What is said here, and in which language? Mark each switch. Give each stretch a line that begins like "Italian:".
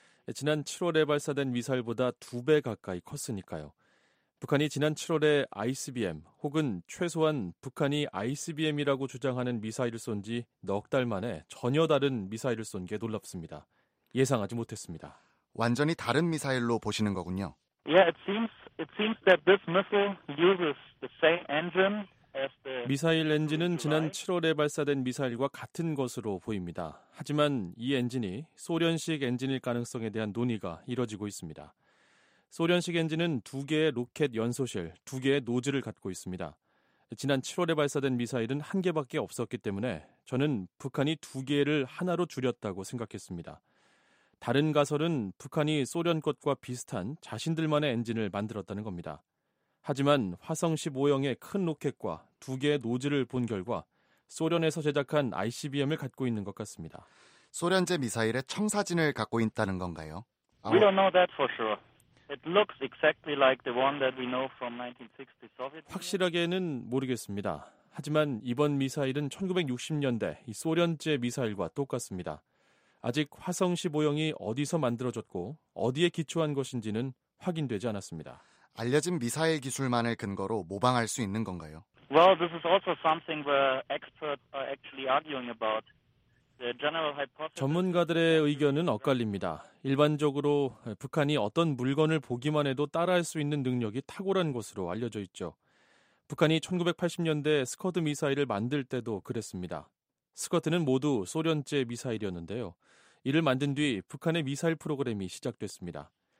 Korean: 지난 7월에 발사된 미사일보다 두 배 가까이 컸으니까요. 북한이 지난 7월에 ICBM 혹은 최소한 북한이 ICBM이라고 주장하는 미사일을 쏜 지 넉 달 만에 전혀 다른 미사일을 쏜 게 놀랍습니다. 예상하지 못했습니다. 완전히 다른 미사일로 보시는 거군요.
English: Yeah, it seems that this missile uses the same engine.
Korean: 미사일 엔진은 지난 7월에 발사된 미사일과 같은 것으로 보입니다. 하지만 이 엔진이 소련식 엔진일 가능성에 대한 논의가 이뤄지고 있습니다. 소련식 엔진은 두 개의 로켓 연소실, 두 개의 노즐을 갖고 있습니다. 지난 7월에 발사된 미사일은 한 개밖에 없었기 때문에 저는 북한이 두 개를 하나로 줄였다고 생각했습니다. 다른 가설은 북한이 소련 것과 비슷한 자신들만의 엔진을 만들었다는 겁니다. 하지만 화성 15형의 큰 로켓과 두 개의 노즐을 본 결과 소련에서 제작한 ICBM을 갖고 있는 것 같습니다. 소련제 미사일의 청사진을 갖고 있다는 건가요?
English: We don't know that for sure. It looks exactly like the one that we know from 1960 Soviet.
Korean: 확실하게는 모르겠습니다. 하지만 이번 미사일은 1960년대 이 소련제 미사일과 똑같습니다. 아직 화성 15형이 어디서 만들어졌고 어디에 기초한 것인지는 확인되지 않았습니다. 알려진 미사일 기술만을 근거로 모방할 수 있는 건가요?
English: Well, this is also something where experts are actually arguing about. The general hypothesis.
Korean: 전문가들의 의견은 엇갈립니다. 일반적으로 북한이 어떤 물건을 보기만 해도 따라할 수 있는 능력이 탁월한 것으로 알려져 있죠. 북한이 1980년대 스커드 미사일을 만들 때도 그랬습니다. 스커드는 모두 소련제 미사일이었는데요. 이를 만든 뒤 북한의 미사일 프로그램이 시작됐습니다.